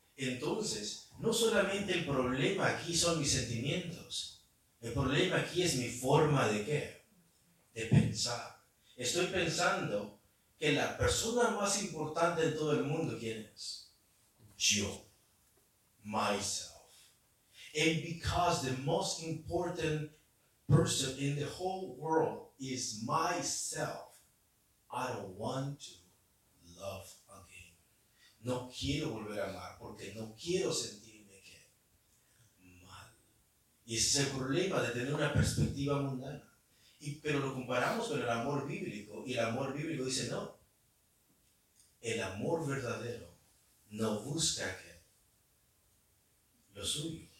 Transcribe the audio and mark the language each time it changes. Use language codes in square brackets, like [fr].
[es] Entonces, no solamente el problema aquí son mis sentimientos, el problema aquí es mi forma de qué, de pensar. Estoy pensando que la persona más importante de todo el mundo, ¿quién es? Yo, [en] myself. And because the most important person in the whole world is myself, I don't want to love again. [es] No quiero volver a amar porque no quiero sentirme que mal. Y ese es el problema de tener una perspectiva mundana. Pero lo comparamos con el amor bíblico y el amor bíblico dice no. El amor verdadero no busca que lo suyo.